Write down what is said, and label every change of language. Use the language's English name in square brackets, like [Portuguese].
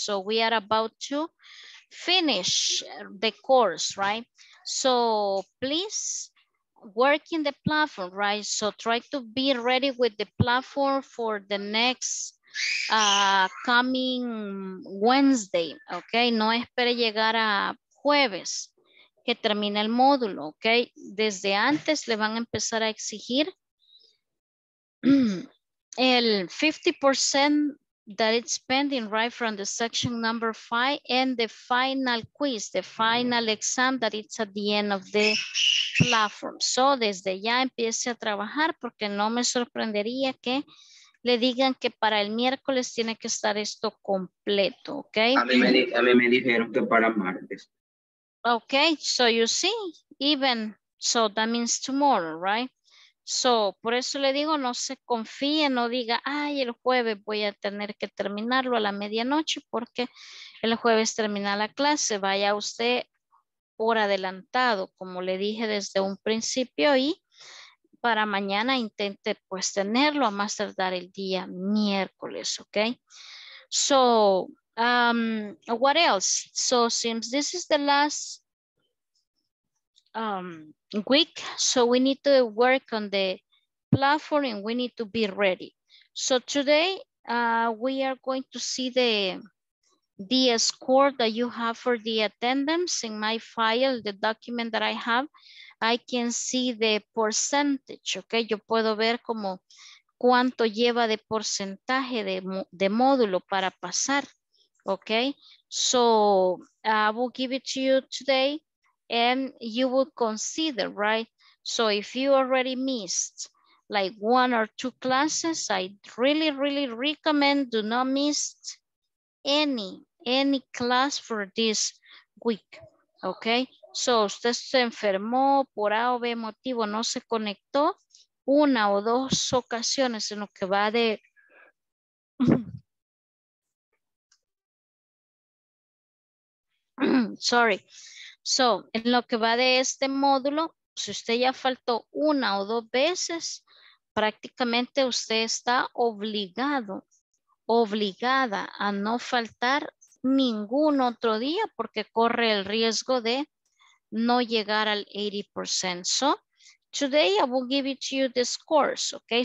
[English] So we are about to finish the course, right? So please work in the platform, right? So try to be ready with the platform for the next coming Wednesday, okay? [Spanish] No espere llegar a jueves que termine el módulo, okay? Desde antes le van a empezar a exigir el 50% [English] that it's pending, right, from the section number 5, and the final quiz, the final exam that it's at the end of the platform. [Spanish] So desde ya empiece a trabajar, porque no me sorprendería que le digan que para el miércoles tiene que estar esto completo, ¿ok? A mí me dijeron que para martes. [English] Ok, so you see, even, so that means tomorrow, right? [Spanish] So, por eso le digo, no se confíe, no diga, ay, el jueves voy a tener que terminarlo a la medianoche, porque el jueves termina la clase, vaya usted por adelantado, como le dije desde un principio, y para mañana intente pues tenerlo a más tardar el día miércoles, ¿ok? [English] So, what else? So, since this is the last week, so we need to work on the platform and we need to be ready. So today we are going to see the score that you have for the attendance. In my file, the document that I have, I can see the percentage, okay? [Spanish] Yo puedo ver como cuánto lleva de porcentaje de módulo para pasar, okay? [English] So I will give it to you today, and you will consider, right? So if you already missed like one or two classes, I really, really recommend do not miss any class for this week, okay? [Spanish] So usted se enfermó por A o B motivo, no se conectó una o dos ocasiones en lo que va de... Sorry. So, en lo que va de este módulo, si usted ya faltó una o dos veces, prácticamente usted está obligada a no faltar ningún otro día, porque corre el riesgo de no llegar al 80%. [English] So, today I will give it to you the scores, okay?